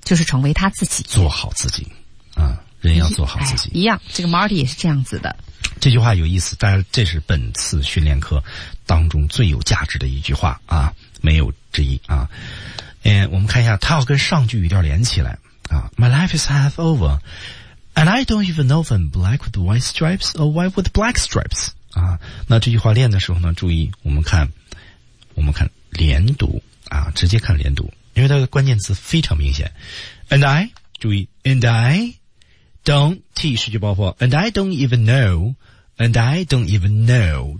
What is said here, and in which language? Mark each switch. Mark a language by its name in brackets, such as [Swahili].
[Chinese] 就是成为他自己，做好自己。啊，人要做好自己。哎、一样，这个 Marty 也是这样子的。这句话有意思，但是这是本次训练课当中最有价值的一句话啊，没有之一啊。嗯，我们看一下，他要跟上句语调连起来啊。 [English] My life is half over, and I don't even know if I'm black with white stripes or white with black stripes。 [Chinese] 啊，那这句话练的时候呢，注意我们看连读啊，直接看连读，因为它的关键词非常明显。 [English] And I [Chinese] 注意 [English] ，and I。 Don't [Chinese] 失去爆破 [English] ，and I don't even know，and I don't even know。